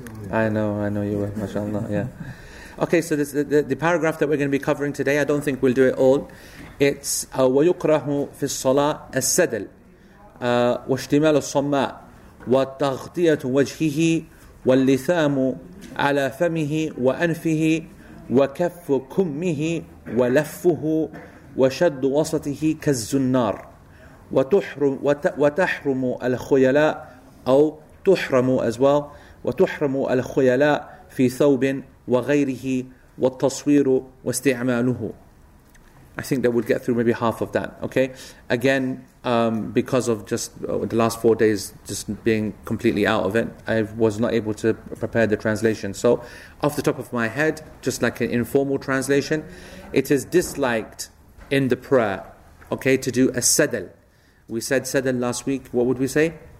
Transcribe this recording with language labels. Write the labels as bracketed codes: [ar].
[en] I know you were, mashallah, yeah. Okay, so this, the paragraph that we're going to be covering today, I don't think we'll do it all. It's [ar] وَيُقْرَهُ فِي الصَّلَاةِ السَّدَلِ وَاشْتِمَالُ الصَّمَّاءِ وَالتَّغْطِيَةُ وَجْهِهِ وَاللِّثَامُ عَلَى فَمِهِ وَأَنْفِهِ وكف كمه ولفه وشد وسطه كالزنار وتحرم الخيلاء أو تحرم [en] as well [ar] وتحرم الخيلاء في ثوب وغيره والتصوير واستعماله. [en] I think that we'll get through maybe half of that. Okay, again, because of just the last 4 days just being completely out of it, I was not able to prepare the translation. So, off the top of my head, just like an informal translation, it is disliked in the prayer, okay, to do a sadal. We said sadal last week. What would we say?